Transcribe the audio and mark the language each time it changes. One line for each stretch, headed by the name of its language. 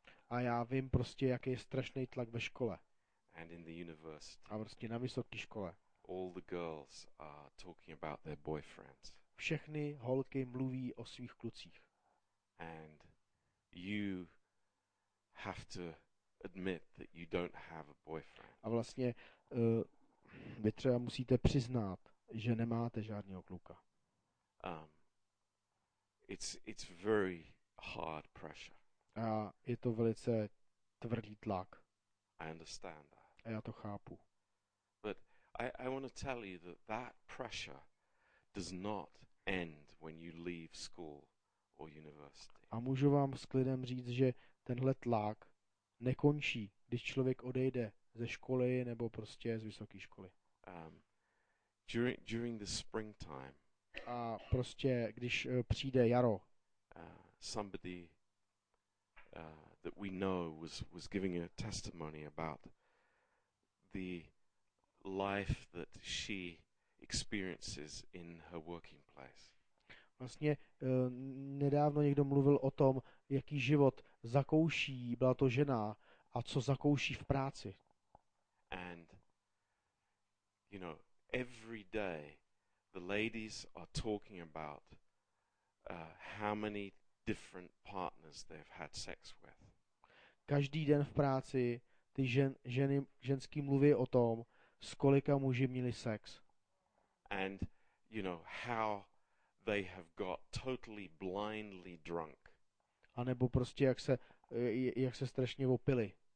Czech: A já vím prostě, jaký je strašný tlak ve škole.
English: And in the university.
Czech: A prostě na vysoké škole.
English: All the girls are talking about their boyfriends.
Czech: Všechny holky mluví o svých klucích.
English: And you have to admit that you don't have a boyfriend.
Czech: A vlastně vy třeba musíte přiznat, že nemáte žádného kluka.
English: It's very hard pressure.
Czech: A je to velice tvrdý tlak.
English: I understand that.
Czech: A já to chápu.
English: But I want to tell you that pressure does not end when you leave school or university.
Czech: A můžu vám s klidem říct, že tenhle tlak nekončí, když člověk odejde ze školy nebo prostě z vysoké školy.
English: During the springtime.
Czech: A prostě když přijde jaro.
English: Somebody that we know was giving a testimony about the life that she experiences in her working place.
Czech: Vlastně nedávno někdo mluvil o tom, jaký život zakouší, byla to žena, a co zakouší v práci.
English: And you know, every day the ladies are talking about how many different partners they've had sex with.
Czech: Každý den v práci ty ženský mluví o tom, s kolika muži měli sex.
English: And you know how they have got totally blindly drunk.
Czech: A nebo prostě jak se strašně opili.